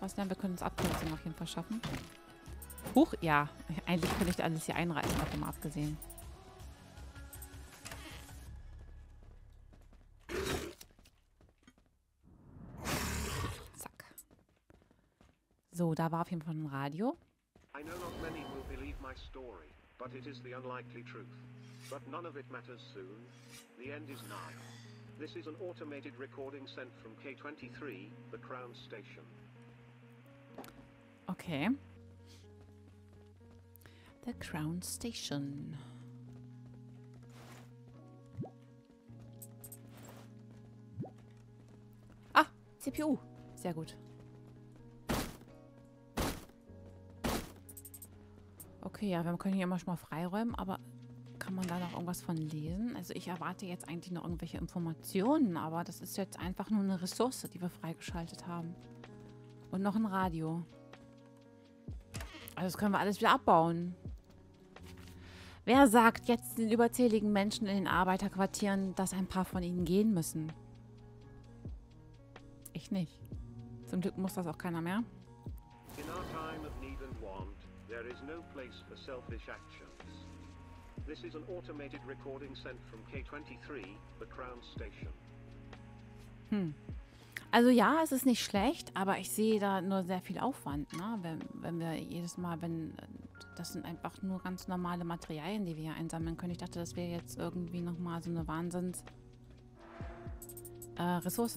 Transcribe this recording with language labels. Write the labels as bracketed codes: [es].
[de] Was denn? Wir können uns Abkürzung auf jeden Fall schaffen. Huch, ja. Eigentlich könnte ich alles hier einreißen, davon abgesehen. Zack. So, da war auf jeden Fall ein Radio. [en] I know not many will believe my story, but it is the unlikely truth. But none of it matters soon. The end is nigh. This is an automated recording sent from K23, the Crown Station. Okay. The Crown Station. [de] Ah, CPU. Sehr gut. Okay, ja, wir können hier manchmal freiräumen, aber... Kann man da noch irgendwas von lesen? Also ich erwarte jetzt eigentlich noch irgendwelche Informationen, aber das ist jetzt einfach nur eine Ressource, die wir freigeschaltet haben. Und noch ein Radio. Also das können wir alles wieder abbauen. Wer sagt jetzt den überzähligen Menschen in den Arbeiterquartieren, dass ein paar von ihnen gehen müssen? Ich nicht. Zum Glück muss das auch keiner mehr. [en] In our time of need and want, there is no place for selfish actions. This is an automated recording sent from K23, the Crown Station. Hm. [de] Also ja, es ist nicht schlecht, aber ich sehe da nur sehr viel Aufwand, ne? Wenn wir jedes Mal, das sind einfach nur ganz normale Materialien, die wir hier einsammeln können. Ich dachte, das wäre jetzt irgendwie nochmal so eine Wahnsinns-Ressource.